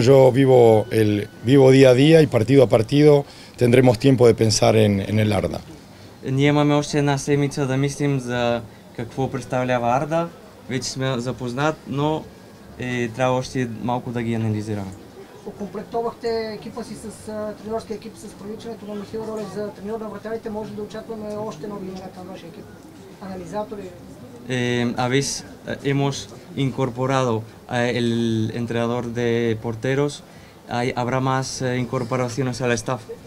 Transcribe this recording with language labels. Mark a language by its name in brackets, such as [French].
[Spanish] Yo vivo día a día y partido a partido. Tendremos tiempo de pensar en el Arda. [Bulgarian] Нямаме още една седмица да мислим за какво представлява Арда. Вече сме запознат, но трябва още малко да ги анализираме. Окомплектовахте екипа си с тренерски екип с привличането на Михаил Ролев за тренер на вратарите. Може да очакваме още нови имената на вашия екип? Анализатори? [Spanish] Авис, hemos incorporado el entrenador de porteros. ¿Habrá más incorporaciones al staff?